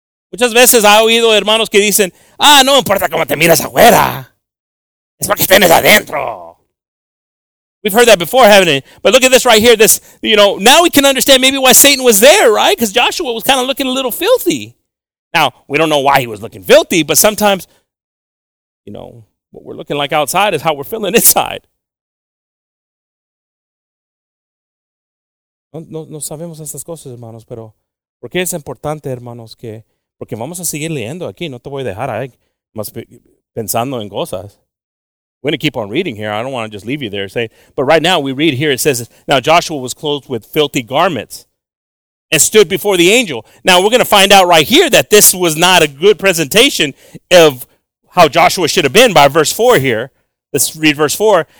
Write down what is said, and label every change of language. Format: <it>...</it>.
<es>Muchas veces ha oído hermanos que dicen, ah, no importa cómo te miras afuera, es lo que tienes adentro.</es> <en>We've heard that before, haven't we? But look at this right here, this, you know, now we can understand maybe why Satan was there, right? Because Joshua was kind of looking a little filthy. Now, we don't know why he was looking filthy, but sometimes, you know, what we're looking like outside is how we're feeling inside.</en> <es>No sabemos estas cosas, hermanos, pero ¿por qué es importante, hermanos, que porque vamos a seguir leyendo aquí. No te voy a dejar ahí más pensando en cosas.</es> <en>We're going to keep on reading here. I don't want to just leave you there. Say, but right now we read here. It says, now Joshua was clothed with filthy garments and stood before the angel. Now we're going to find out right here that this was not a good presentation of how Joshua should have been by verse 4 here. Let's read verse 4.</en>